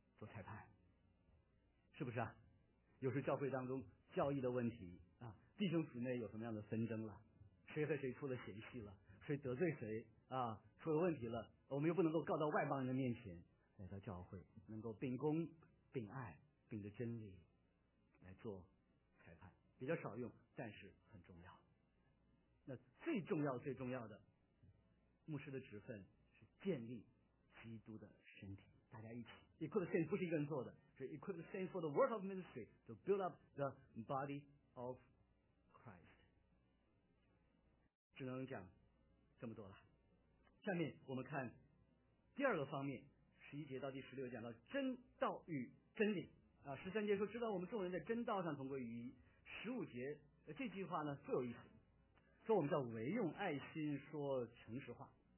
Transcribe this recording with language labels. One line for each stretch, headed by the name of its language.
Chinese: 做裁判，是不是啊？有时教会当中教义的问题啊，弟兄姊妹有什么样的纷争了，谁和谁出了嫌隙了，谁得罪谁啊，出了问题了，我们又不能够告到外邦人的面前，来到教会能够秉公秉爱秉着真理来做裁判，比较少用但是很重要。那最重要最重要的牧师的职分是建立基督的身体。大家一起
English: ，Equip the Saints
Chinese: 不是一个人做的，
English: 是 Equip the Saints for the work of ministry to build up the body of Christ。
Chinese: 只能讲这么多了。下面我们看第二个方面，十一节到第十六讲到真道与真理啊。十三节说，知道我们众人在真道上同归于一。十五节这句话呢，最有意思，说我们叫唯用爱心说诚实话。